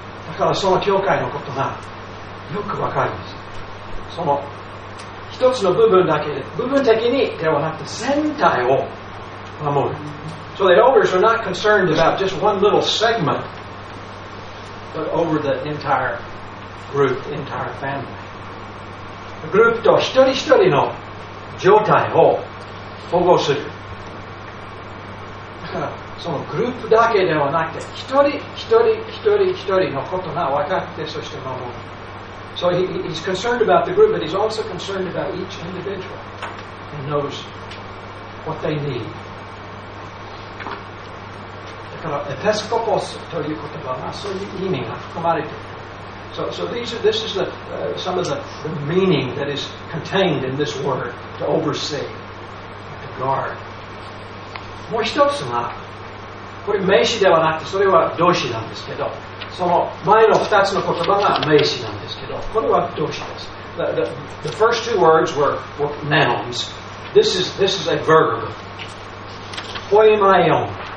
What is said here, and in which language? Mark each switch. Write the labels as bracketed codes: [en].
[ja] だからその教会のことがよくわかるんです。その一つの部分だけで、部分的にではなくて全体を守る。 [en] So the elders are not concerned about just one little segment, but over the entire group, the entire family. The group [ja] と一人一人の状態を保護する。だからそのグループだけではなくて、一人一人一人一人のことが分かって、そして守る。 [en] So he's concerned about the group, but he's also concerned about each individual and knows what they need. [ja] からエペスコポスという言葉がそういう意味が含まれている。 [en] So this is the, some of the meaning that is contained in this word, to oversee, to guard. [ja] もう一つが、これ名詞ではなくて、それは動詞なんですけど、その前の二つの言葉が名詞なんですけど、これは動詞です。 [en] The first two words were nouns. This is a verb. ポエマイオン。